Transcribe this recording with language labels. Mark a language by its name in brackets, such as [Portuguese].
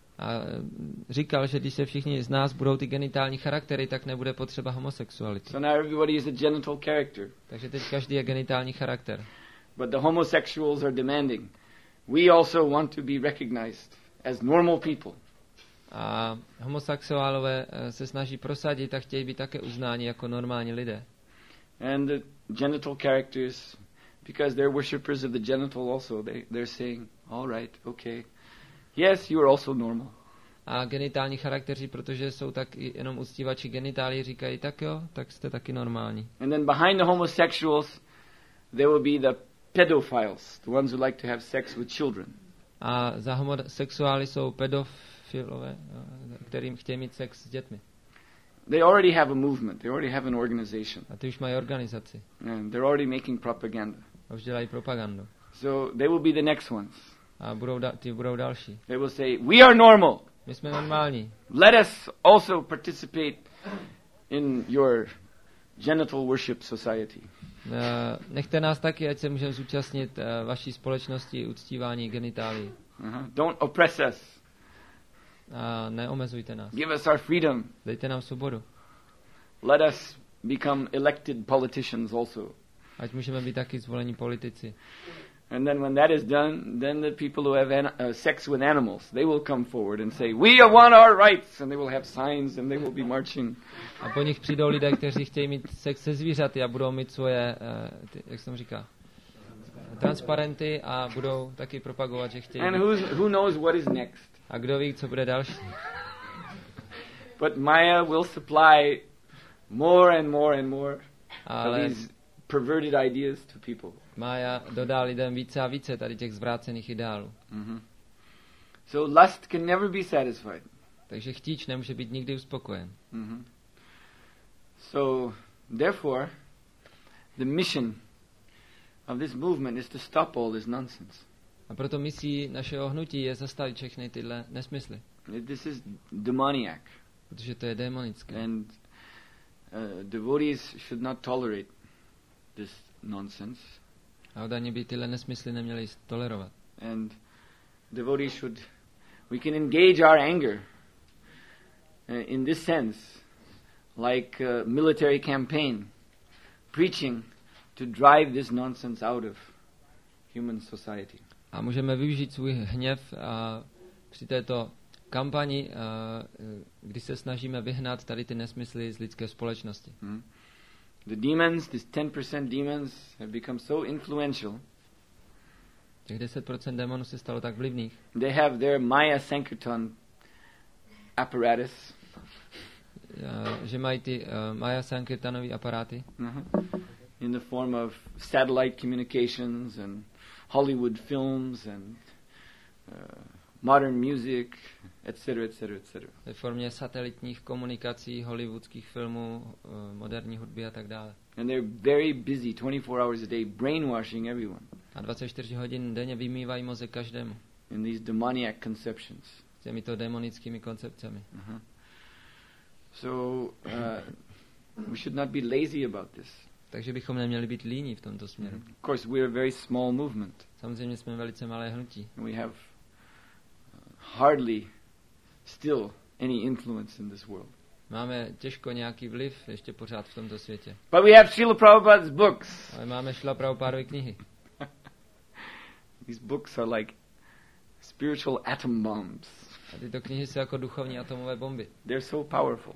[Czech] A říkal, že když se všichni z nás budou ty genitální charaktery, tak nebude potřeba homosexuality. [English] So now everybody is a genital character. [Czech] Takže teď každý je genitální charakter. [English] But the homosexuals are demanding. We also want to be recognized as normal people. [Czech] A homosexuálové se snaží prosadit a chtějí být také uznáni jako normální lidé. [English] And the genital characters, because they're worshippers of the genital also, they're saying, all right, okay, yes, you are also normal. [Czech] A genitální charakteři, protože jsou tak jenom uctívači genitálii, říkají, tak jo, tak jste taky normální. [English] And then behind the homosexuals, there will be the pedophiles, the ones who like to have sex with children. [Czech] A za homosexuály jsou pedofilové, kterým chtějí mít sex s dětmi. [English] They already have a movement. They already have an organization. [Czech] A ty už mají organizaci. [English] And they're already making propaganda. [Czech] A už dělají propagandu. [English] So they will be the next ones. [Czech] A budou ty budou další. [English] They will say, "We are normal." [Czech] My jsme normální. [English] Let us also participate in your genital worship society. [Czech] Nechte nás taky, ať se můžeme zúčastnit vaší společnosti uctívání genitálií. [English] Don't oppress us. [Czech] Neomezujte nás. [English] Give us our freedom. [Czech] Dejte nám svobodu. [English] Let us become elected politicians also. [Czech] Ať můžeme být taky zvolení politici. [English] And then when that is done, then the people who have sex with animals, they will come forward and say, we want our rights, and they will have signs and they will be marching. [Czech] A po nich přijdou lidé, kteří chtějí mít sex se zvířaty a budou mít svoje, jak jsem říkal, transparenty a budou taky propagovat, že chtějí. [English] And who knows what is next? [Czech] A kdo ví, co bude další? [English] But Maya will supply more and more and more of these perverted ideas to people. [Czech] Maya dodá lidem více a více tady těch zvrácených ideálů. [English] So lust can never be satisfied. [Czech] Takže chtíč nemůže být nikdy uspokojen. [English] So therefore the mission of this movement is to stop all this nonsense. [Czech] A proto misí našeho hnutí je zastavit všechny tyhle nesmysly. [English] This is demoniac. [Czech] Protože to je démonické. [English] And devotees should not tolerate this nonsense. [Czech] A oddaní by tyhle nesmysly neměli tolerovat. [English] And devotees should, we can engage our anger in this sense, like a military campaign, preaching to drive this nonsense out of human society. [Czech] A můžeme využít svůj hněv při této kampani, kdy se snažíme vyhnat tady ty nesmysly z lidské společnosti. [English] The demons, these 10% demons, have become so influential. [Czech] Těch 10% démonů se stalo tak vlivných. [English] They have their Maya Sankirtan apparatus. [Czech] Že mají ty Maya Sankirtanové aparáty. [English] In the form of satellite communications and Hollywood films and modern music, etc., etc., etc. [Czech] Ve formě satelitních komunikací, hollywoodských filmů, moderní hudby a tak dále. [English] And they're very busy 24 hours a day brainwashing everyone. [Czech] A 24 hodin denně vymývají mozek každému. [English] In these demoniac conceptions. [Czech] S těmito demonickými koncepcemi. [English] So we should not be lazy about this. [Czech] Takže bychom neměli být líní v tomto směru. [English] Of course we are a very small movement. [Czech] Samozřejmě jsme velice malé hnutí. [English] We have hardly still any influence in this world. [Czech] Máme těžko nějaký vliv ještě pořád v tomto světě. [English] But we have Srila Prabhupada's books. [Czech] Ale máme Srila Prabhupádovy knihy. [English] These books are like spiritual atom bombs. [Czech] A tyto knihy jsou jako duchovní atomové bomby. [English] They're so powerful.